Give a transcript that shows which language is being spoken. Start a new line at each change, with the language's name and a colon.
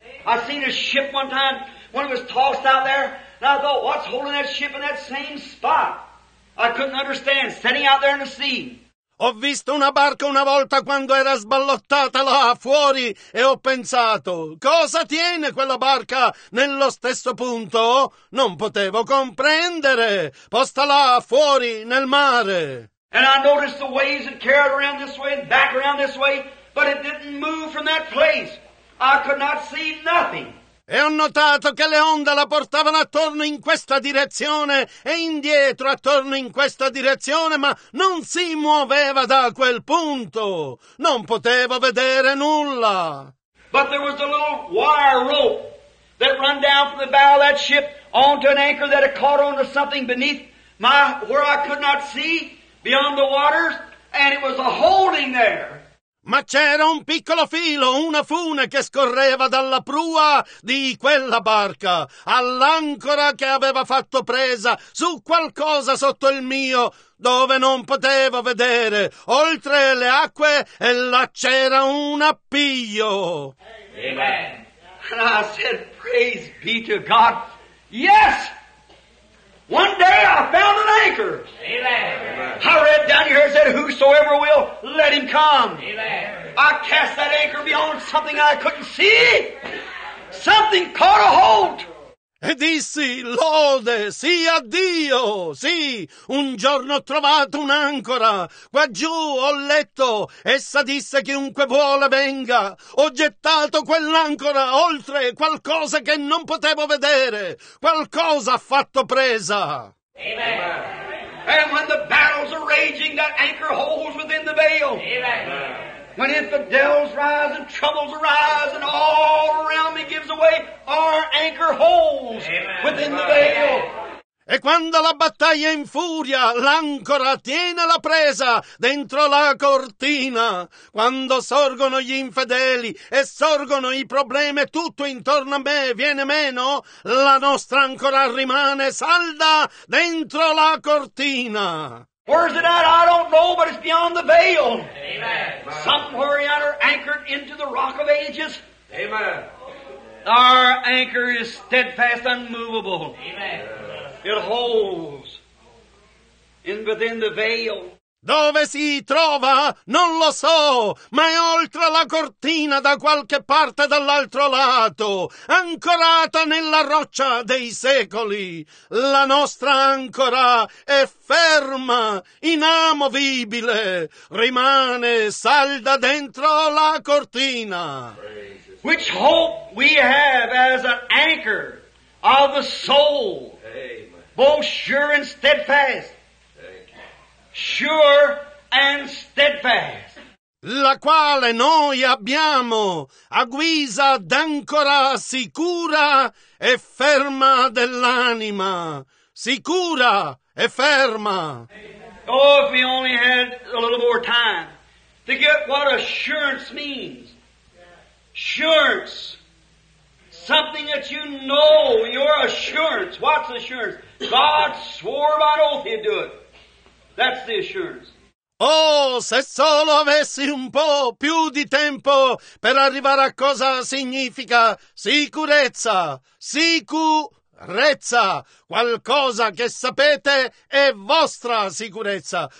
English: I seen a ship one time when it was tossed out there. And I thought, what's holding that ship in that same spot? I couldn't understand, standing out there in the sea.
Italian: Ho visto una barca una volta quando era sballottata là fuori e ho pensato, cosa tiene quella barca nello stesso punto? Non potevo comprendere, posta là fuori nel mare.
English: And I noticed the waves had carried around this way and back around this way, but it didn't move from that place. I could not see nothing.
Italian: E ho notato che le onde la portavano attorno in questa direzione e indietro attorno in questa direzione, ma non si muoveva da quel punto. Non potevo vedere nulla.
English: But there was a little wire rope that run down from the bow of that ship onto an anchor that had caught onto something beneath my, where I could not see, beyond the waters, and it was a holding there.
Italian: Ma c'era un piccolo filo, una fune che scorreva dalla prua di quella barca all'ancora che aveva fatto presa su qualcosa sotto il mio dove non potevo vedere. Oltre le acque e là c'era un appiglio.
English: Amen. And I said, praise be to God. Yes! One day I found an anchor. Amen. I read down here and said, whosoever will, let him come. Amen. I cast that anchor beyond something I couldn't see. Something caught a hold.
Italian: E dissi, lode, sì, addio, sì, un giorno ho trovato un'ancora, qua giù ho letto, essa disse chiunque vuole venga, ho gettato quell'ancora oltre qualcosa che non potevo vedere, qualcosa ha fatto presa.
English: Amen. And when the battles are raging, that anchor holds within the veil. Amen. When infidels rise and troubles arise and all around me gives away, our anchor holds. Amen. Within the veil.
Italian: E quando la battaglia è in furia, l'ancora tiene la presa dentro la cortina. Quando sorgono gli infedeli e sorgono i problemi, tutto intorno a me viene meno, la nostra ancora rimane salda dentro la cortina.
English: Where is it at? I don't know, but it's beyond the veil. Amen. Somewhere yonder, anchored into the rock of ages. Amen. Our anchor is steadfast, unmovable. Amen. It holds in within the veil.
Italian: Dove si trova? Non lo so, ma è oltre la cortina da qualche parte dall'altro lato, ancorata nella roccia dei secoli. La nostra ancora è ferma, inamovibile, rimane salda dentro la cortina.
English: Which hope we have as an anchor of the soul, both sure and steadfast. Sure and steadfast.
Italian: La quale noi abbiamo a guisa d'ancora sicura e ferma dell'anima. Sicura e ferma.
English: Oh, if we only had a little more time to get what assurance means. Assurance. Something that you know, your assurance. What's assurance? God swore by oath he'd do it. That's the assurance.
Italian: Oh, se solo avessi un po' più di tempo per arrivare a cosa significa sicurezza, sicurezza, qualcosa che sapete è vostra sicurezza.